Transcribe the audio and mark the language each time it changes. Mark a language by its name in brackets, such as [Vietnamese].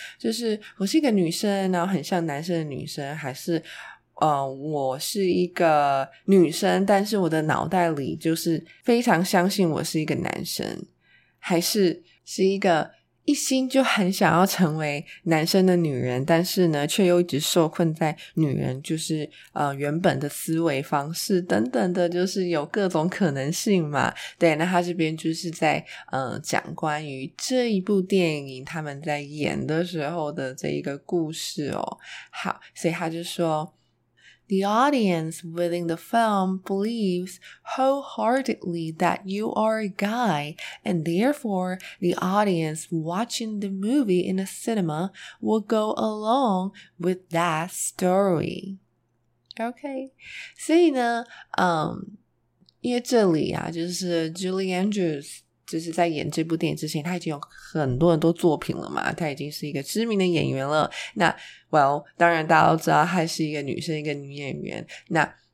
[Chinese] 就是我是一个女生，然后很像男生的女生，还是我是一个女生，但是我的脑袋里就是非常相信我是一个男生，还是一个一心就很想要成为男生的女人，但是呢却又一直受困在女人就是原本的思维方式等等的，就是有各种可能性嘛。对，那他这边就是在讲关于这一部电影他们在演的时候的这一个故事哦。好，所以他就说 [English] The audience within the film believes wholeheartedly that you are a guy, and therefore the audience watching the movie in a cinema will go along with that story. [Chinese] Okay, 所以呢因为这里啊就是 Julie Andrews 就是在演这部电影之前他已经有很多很多作品了嘛，他已经是一个知名的演员了，那 well 当然大家都知道他是一个女生一个女演员，那